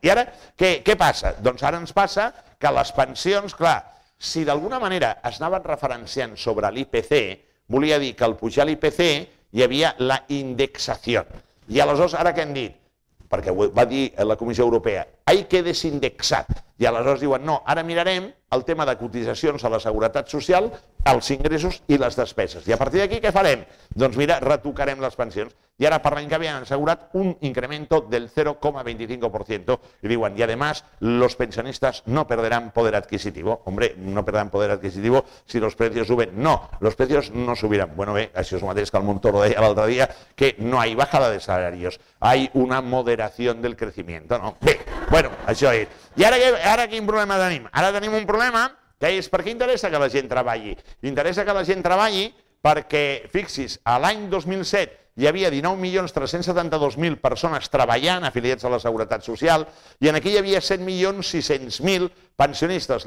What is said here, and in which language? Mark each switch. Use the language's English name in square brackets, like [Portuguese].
[Catalan] I ara, què passa? Doncs ara ens passa que les pensions, clar, si d'alguna manera es anaven referenciant sobre l'IPC, volia dir que al pujar l'IPC hi havia la indexació. I aleshores, ara què hem dit? Perquè va dir la Comissió Europea, ahí quede desindexat. I aleshores diuen, no, ara mirarem el tema de cotitzacions a la Seguretat Social, els ingressos i les despeses. I a partir d'aquí què farem? Doncs mira, retocarem les pensions. I ara per l'any que ve han assegurat un incremento del 0,25%. [Spanish] I diuen, i además, los pensionistas no perderán poder adquisitivo. Hombre, no perderán poder adquisitivo si los precios suben. No, los precios no subirán. [Catalan] Bueno, això és el mateix que el Montoro deia l'altre dia, que no hay bajada de salarios, hay una moderación del crecimiento. No? Bé, bueno, això és. I ara quin problema tenim? Ara tenim un problema que és per què interessa que la gent treballi. Interessa que la gent treballi perquè, fixi's, l'any 2007 hi havia 19.372.000 persones treballant, afiliats a la Seguretat Social, i en aquí hi havia 7.600.000 pensionistes.